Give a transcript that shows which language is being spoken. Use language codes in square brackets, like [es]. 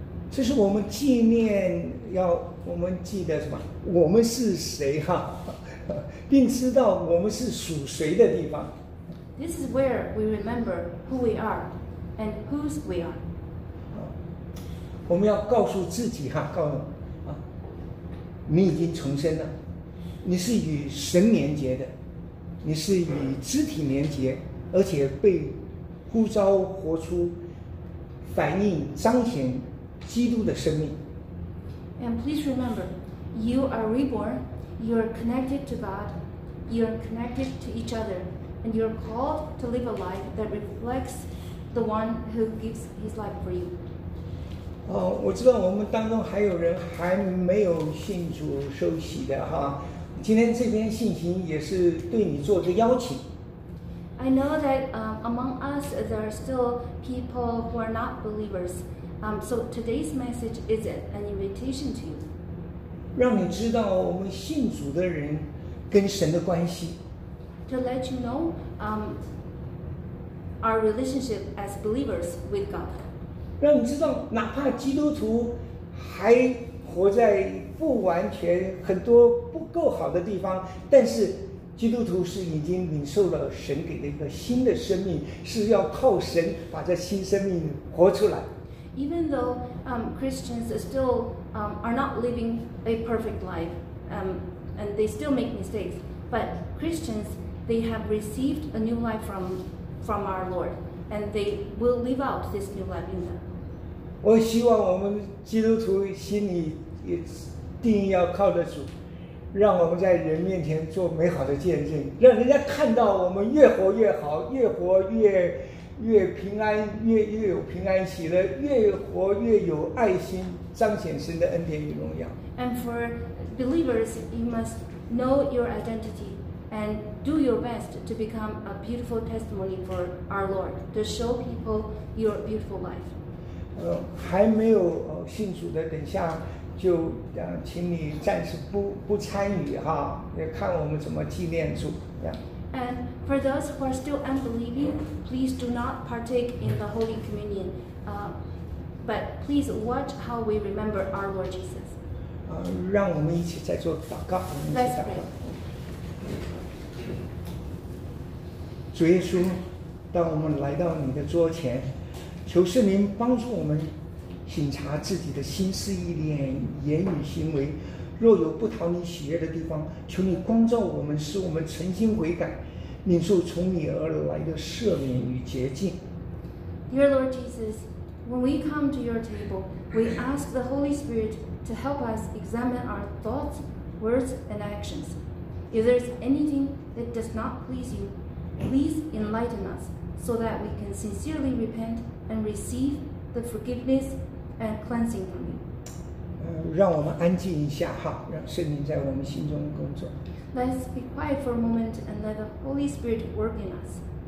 [zh] 这是我们纪念，要我们记得什么？我们是谁哈，并知道我们是属谁的地方。 [en] This is where we remember who we are and whose we are. [zh] 我们要告诉自己哈，告诉啊，你已经重生了，你是与神连结的，你是与肢体连结，而且被呼召活出反映彰显基督的生命。 [en] And please remember, you are reborn, you are connected to God, you are connected to each other. And you're called to live a life that reflects the one who gives his life for you. [zh] 我知道我们当中还有人还没有信主受洗的哈。今天这篇信息也是对你做个邀请。 [en] I know that among us there are still people who are not believers. So today's message is an invitation to you. [zh] 让你知道我们信主的人跟神的关系。 [en] To let you know our relationship as believers with God. [zh] 让你知道，哪怕基督徒还活在不完全、很多不够好的地方，但是基督徒是已经领受了神给的一个新的生命，是要靠神把这新生命活出来。 [en] Even though Christians still are not living a perfect life, and they still make mistakes, but Christians, they have received a new life from our Lord, and they will live out this new life in them. [zh] 我希望我们基督徒心里一定要靠得住，让我们在人面前做美好的见证，让人家看到我们越活越好，越活越越平安，越有平安喜乐，越活越有爱心，彰显神的恩典与荣耀。 [en] And for believers, you must know your identity and do your best to become a beautiful testimony for our Lord to show people your beautiful life. [zh] 还没有信主的，等下就请你暂时不参与哈，也看我们怎么纪念主。 [en] And for those who are still unbelieving, please do not partake in the Holy Communion. But please watch how we remember our Lord Jesus. [zh] 让我们一起再做祷告。 [en] Let's pray. [zh] 主耶稣，当我们来到你的桌前，求圣灵帮助我们省察自己的心思意念、言语行为。若有不讨你喜悦的地方，求你光照我们，使我们诚心悔改，领受从你而来的赦免与洁净。 [en] Dear Lord Jesus, when we come to your table, we ask the Holy Spirit to help us examine our thoughts, words, and actions. If there is anything that does not please you, please enlighten us so that we can sincerely repent and receive the forgiveness and cleansing from you. [zh] 让我们安静一下哈，让圣灵在我们心中工作。 [en] Let's be quiet for a moment and let the Holy Spirit work in us.